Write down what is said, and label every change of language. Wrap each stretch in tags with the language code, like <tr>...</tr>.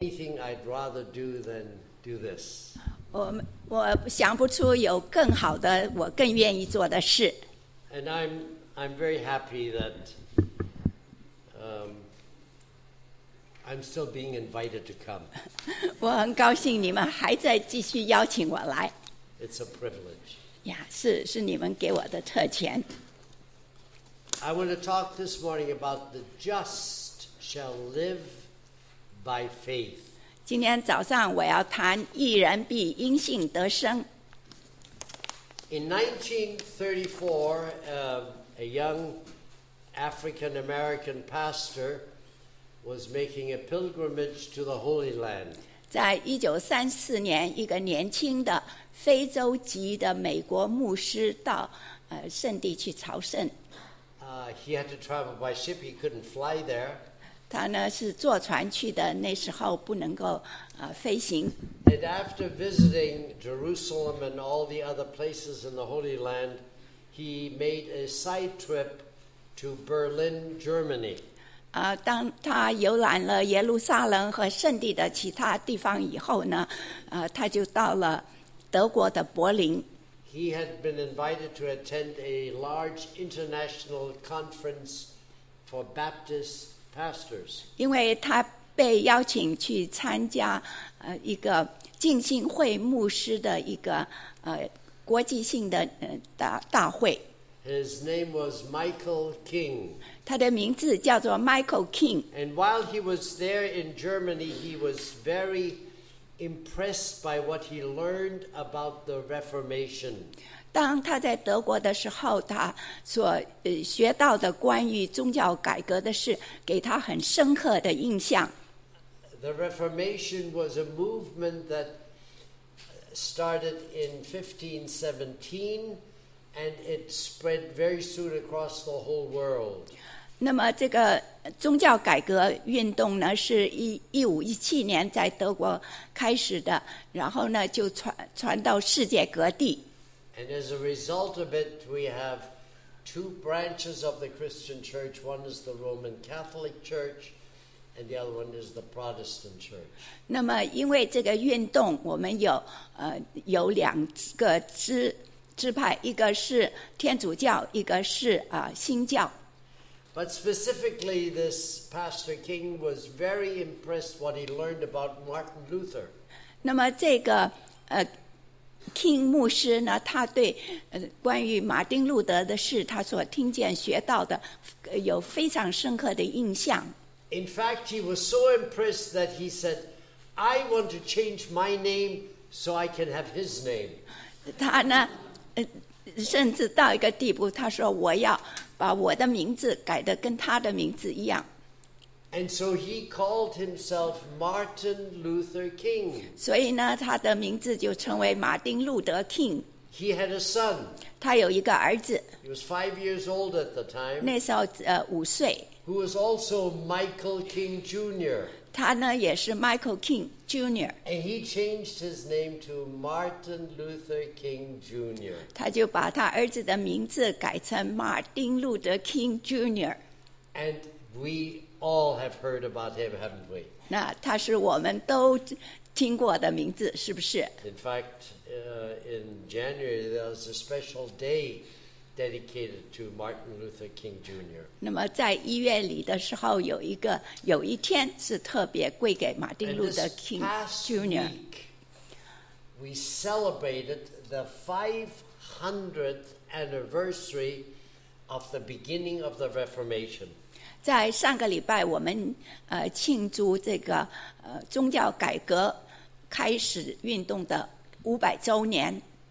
<en>Anything I'd rather do than do this.</en> <zh>我想不出有更好的我更愿意做的事。</zh> <en>And I'm very happy that I'm still being invited to come.</en> <zh>我很高兴你们还在继续邀请我来。</zh> <en>It's a privilege.</en> <zh>呀，是，是你们给我的特权。</zh> <en>I want to talk this morning about the just shall live by faith.</en> <zh>今天早上我要谈义人必因信得生。</zh> <en>In 1934, a young African-American pastor was making a pilgrimage to the Holy Land.</en> <zh>在1934年，一个年轻的非洲籍的美国牧师到圣地去朝圣。</zh> <en>He had to travel by ship. He couldn't fly there.</en> <zh>他呢是坐船去的，那时候不能够飞行。</zh> <en>And after visiting Jerusalem and all the other places in the Holy Land, he made a side trip to Berlin, Germany.</en> <zh>当他游览了耶路撒冷和圣地的其他地方以后呢，他就到了德国的柏林。</zh> <en>He had been invited to attend a large international conference for Baptist pastors.</en> <zh>因为他被邀请去参加一个浸信会牧师的一个国际性的大会。</zh> <en>His name was Michael King.</en> <zh>他的名字叫做 Michael King.</zh> <en>And while he was there in Germany, he was very impressed by what he learned about the Reformation.</en> <zh>当他在德国的时候，他所学到的关于宗教改革的事，给他很深刻的印象。</zh> <en>The Reformation was a movement that started in 1517, and it spread very soon across the whole world.</en> <zh>那么这个宗教改革运动呢，是1517年在德国开始的，然后呢就传到世界各地。</zh> <en>And as a result of it, we have two branches of the Christian Church. One is the Roman Catholic Church, and the other one is the Protestant Church.</en> <zh>那么因为这个运动，我们有两个支派，一个是天主教，一个是新教。</zh> <en>But specifically, this Pastor King was very impressed what he learned about Martin Luther.</en> <zh>那么这个King 牧师呢，他对关于马丁路德的事，他所听见学到的，有非常深刻的印象。</zh> <en>In fact, he was so impressed that he said, "I want to change my name so I can have his name."</en> <zh>他呢，甚至到一个地步，他说我要把我的名字改得跟他的名字一样。</zh> <en>And so he called himself Martin Luther King.</en> <zh>所以呢，他的名字就成为马丁路德 King.</zh> <en>He had a son.</en> <zh>他有一个儿子。</zh> <en>He was 5 years old at the time.</en> <zh>那时候五岁。</zh> <en>Who was also Michael King Jr.</en> <zh>他呢也是 Michael King Jr.</zh> <en>And he changed his name to Martin Luther King Jr.</en> <zh>他就把他儿子的名字改成马丁路德 King Jr.</zh> <en>And we all have heard about him, haven't we?</en> <zh>那他是我们都听过的名字，是不是？</zh> <en>In fact, in January, there was a special day dedicated to Martin Luther King Jr.</en> <zh>那么在一月里的时候，有一天是特别归给马丁路德 King Jr.</zh> <en>And this past week, we celebrated the 500th anniversary of the beginning of the Reformation.</en> <zh>在上个礼拜，我们庆祝这个宗教改革开始运动的500周年。</zh>